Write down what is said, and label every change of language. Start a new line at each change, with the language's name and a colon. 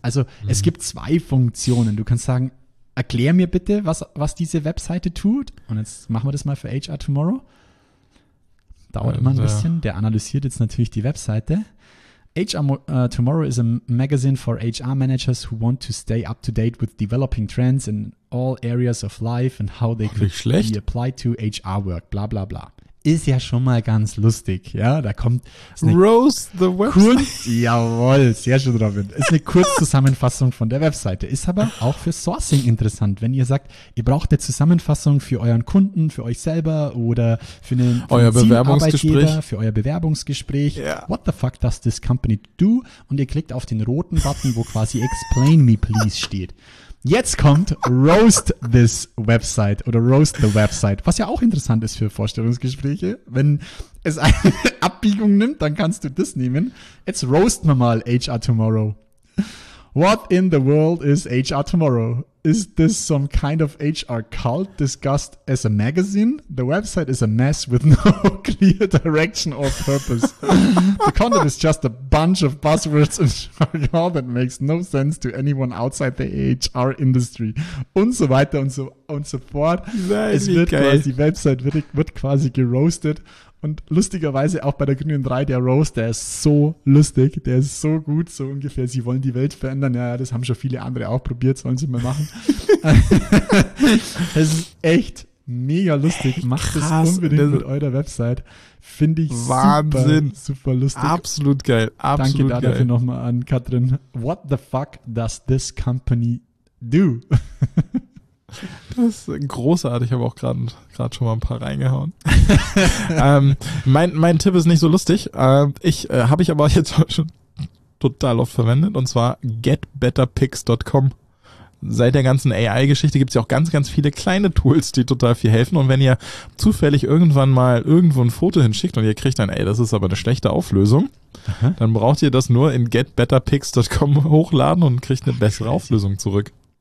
German: Also es gibt zwei Funktionen. Du kannst sagen, erklär mir bitte, was diese Webseite tut. Und jetzt machen wir das mal für HR Tomorrow. Dauert immer ein bisschen. Der analysiert jetzt natürlich die Webseite.
English: HR Tomorrow is a magazine for HR managers who want to stay up to date with developing trends in all areas of life and how they could be applied to HR work. Bla bla bla.
German: ist ja schon mal ganz lustig, ja, da kommt
English: Rose the Website.
German: Jawohl, sehr schön, Robin. Ist eine Kurzzusammenfassung von der Webseite. Ist aber auch für Sourcing interessant, wenn ihr sagt, ihr braucht eine Zusammenfassung für euren Kunden, für euch selber oder für einen Bewerbungsgespräch. Für euer Bewerbungsgespräch.
English: Yeah. What the fuck does this company do?
German: Und ihr klickt auf den roten Button, wo quasi
English: Explain me please
German: steht. Jetzt kommt Roast this Website oder Roast the Website, was ja auch interessant ist für Vorstellungsgespräche. Wenn es eine Abbiegung nimmt, dann kannst du das nehmen. Jetzt roast mal HR Tomorrow.
English: What in the world is HR Tomorrow? Is this some kind of HR cult discussed as a magazine? The website is a mess with no clear direction or purpose. The content is just a bunch of buzzwords and jargon that makes no sense to anyone outside the HR industry.
German: Und so weiter und so fort. Es wird quasi, die Website wird quasi geroastet. Und lustigerweise auch bei der grünen 3, der Roast, der ist so lustig, der ist so gut, so ungefähr, sie wollen die Welt verändern, ja, das haben schon viele andere auch probiert, sollen sie mal machen. Das ist echt mega lustig, hey, macht krass, das unbedingt das mit eurer Website, finde ich Wahnsinn. Super lustig. Absolut geil, absolut danke geil. Danke dafür nochmal an Katrin.
English: What the fuck does this company do?
German: Das ist großartig, ich habe auch gerade schon mal ein paar reingehauen. mein Tipp ist nicht so lustig, habe ich aber jetzt schon total oft verwendet, und zwar getbetterpics.com. Seit der ganzen AI-Geschichte gibt es ja auch ganz, ganz viele kleine Tools, die total viel helfen, und wenn ihr zufällig irgendwann mal irgendwo ein Foto hinschickt und ihr kriegt dann, ey, das ist aber eine schlechte Auflösung, dann braucht ihr das nur in getbetterpics.com hochladen und kriegt eine bessere Auflösung zurück.